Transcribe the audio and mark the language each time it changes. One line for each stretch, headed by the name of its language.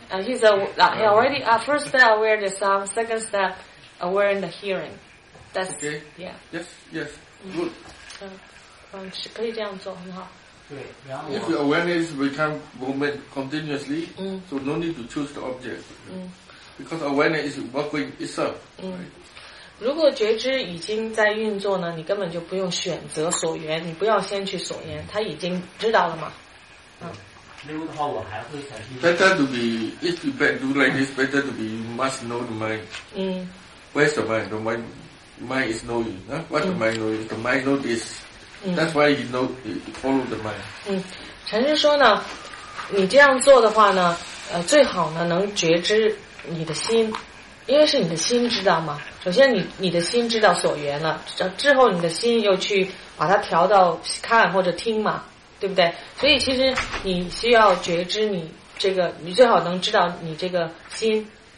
English: And he's he already, first step aware the sound, second step aware in the hearing. That's, okay. Yeah. Yes, good.
Chinese: 可以这样做很好。对，然后
English: If your awareness becomes moment continuously, so no need to choose the object. Because awareness is working itself, right?
Chinese: 如果觉知已经在运作呢，你根本就不用选择所缘，你不要先去所缘，他已经知道了嘛。
English: Better to be, if you do like this, better to be, you must know the mind. Where's the mind? The mind is knowing. Huh? What the mind knows? The mind knows this. That's why you know, you follow the mind.
Chinese: 陈师说呢，你这样做的话呢，最好呢能觉知你的心。因为是你的心知道吗？首先你的心知道所缘了，之后你的心又去把它调到看或者听嘛，对不对？所以其实你需要觉知你这个，你最好能知道你这个心。